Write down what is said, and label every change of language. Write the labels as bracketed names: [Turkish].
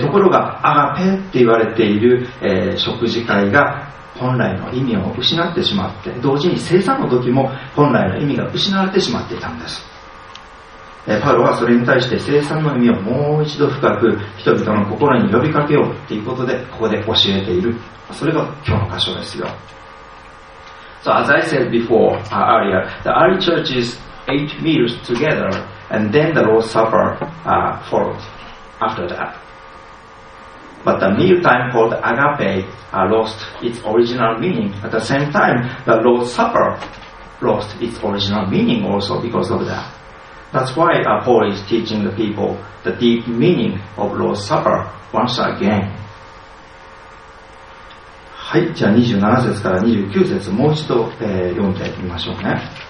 [Japanese] ところが、アガペって言われている、食事会が本来の意味を失ってしまって、同時に聖餐の時も本来の意味が失われてしまっていたんです。パウロはそれに対して聖餐の意味をもう一度深く人々の心に呼びかけようということで、ここで教えている。それが今日の箇所ですよ。 [English] So as I said before, earlier, the early churches ate meals together and then the Lord's Supper followed after that. But the mealtime called agape lost its original meaning. At the same time, the Lord's Supper lost its original meaning also because of that. That's why Paul is teaching the people the deep meaning of Lord's Supper once again. [Japanese] はい、じゃあ27節から29節もう一度、読んでみましょうね。